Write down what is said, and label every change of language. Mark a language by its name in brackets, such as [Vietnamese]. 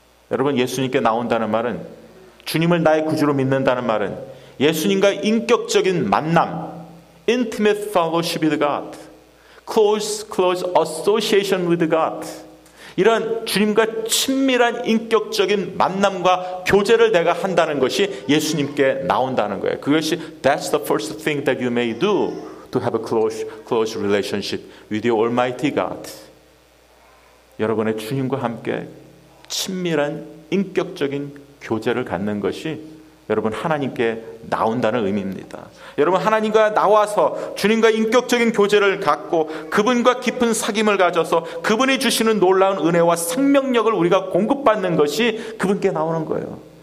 [Korean] 여러분, 예수님께 나온다는 말은, 주님을 나의 구주로 믿는다는 말은 예수님과 인격적인 만남, [English] intimate fellowship with God, [Korean] close association with God, 이런 주님과 친밀한 인격적인 만남과 교제를 내가 한다는 것이 예수님께 나온다는 거예요. 그것이 [English] that's the first thing that you may do to have a close relationship with your almighty God. [Korean] 여러분의 주님과 함께 친밀한 인격적인 교제를 갖는 것이 여러분 하나님께 나온다는 의미입니다. 여러분, 하나님과 나와서 주님과 인격적인 교제를 갖고 그분과 깊은 사귐을 가져서 그분이 주시는 놀라운 은혜와 생명력을 우리가 공급받는 것이 그분께 나오는 거예요.